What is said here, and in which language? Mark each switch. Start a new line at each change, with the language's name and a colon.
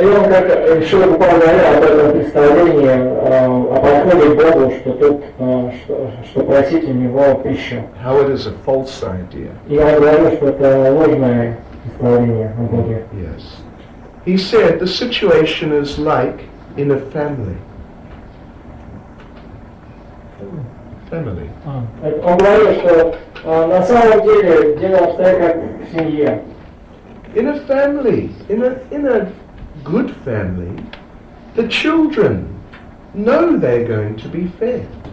Russian: И он как Шрила Прабхупада говорил об этом представлении, о подходе к Богу, что тут, что просить у него пищу.
English: How it is a false idea.
Russian: И он говорил, что это ложное представление о Боге.
English: Yes. He said the situation is like in a family. Family.
Russian: Он говорил, что на самом деле дело обстоит как в семье.
English: In a family, in a good family, the children know they're going to be fed.